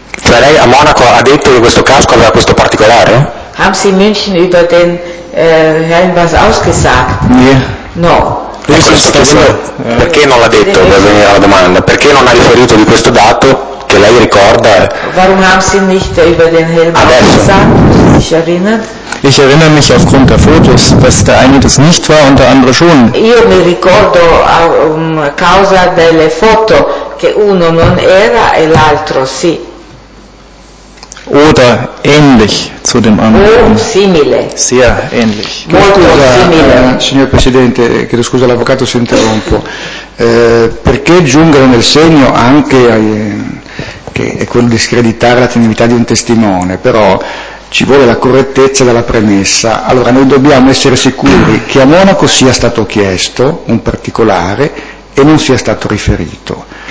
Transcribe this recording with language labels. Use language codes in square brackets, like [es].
[it] Lei a Monaco ha detto che questo casco aveva questo particolare? [de] Haben Sie in München über den Helm was ausgesagt? Nee. [it] No. Ecco, perché non l'ha detto, per venire alla domanda, perché non ha riferito di questo dato che lei ricorda. [de] Warum haben Sie nicht über den Helm gesagt? Ich erinnere mich aufgrund der Fotos, dass der eine das nicht war und der andere schon. [it] Io mi ricordo a causa delle foto che uno non era e l'altro sì. [de] Oder ähnlich zu dem anderen. [it] Simile. [de] Sehr ähnlich. [it] Molto scusa, simile. Signor Presidente, chiedo scusa, l'avvocato si interrompo. Perché giungere nel segno anche che è quello di screditare la tenibilità di un testimone, però ci vuole la correttezza della premessa. Allora, noi dobbiamo essere sicuri che a Monaco sia stato chiesto un particolare e non sia stato riferito.